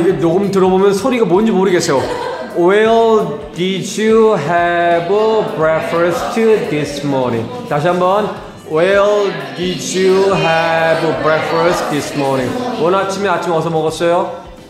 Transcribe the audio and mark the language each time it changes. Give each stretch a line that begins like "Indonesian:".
Korean: 이게 녹음 들어보면 소리가 뭔지 모르겠어요.
English: Where did you have a breakfast this morning?
Korean: 다시 한번.
English: Where did you have a breakfast this morning?
Korean: 오늘 아침에 아침 어디서 먹었어요?